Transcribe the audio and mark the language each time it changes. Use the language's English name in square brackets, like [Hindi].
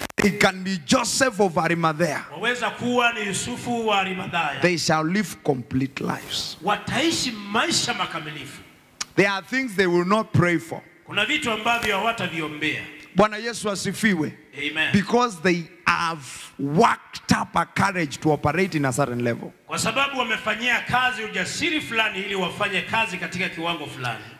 [English] They can be Joseph of Arimathea. [Swahili] Waweza kuwa ni Yusufu wa Arimathea. [English] They shall live complete lives. [Swahili] Wataishi maisha makamilifu. [English] There are things they will not pray for. [Swahili] Kuna vitu ambavyo hawataviombea. Bwana Yesu asifiwe. Amen. [English] Because they have worked up a courage to operate in a certain level. [Swahili] Kwa sababu wamefanyia kazi ujasiri fulani ili wafanye kazi katika kiwango fulani.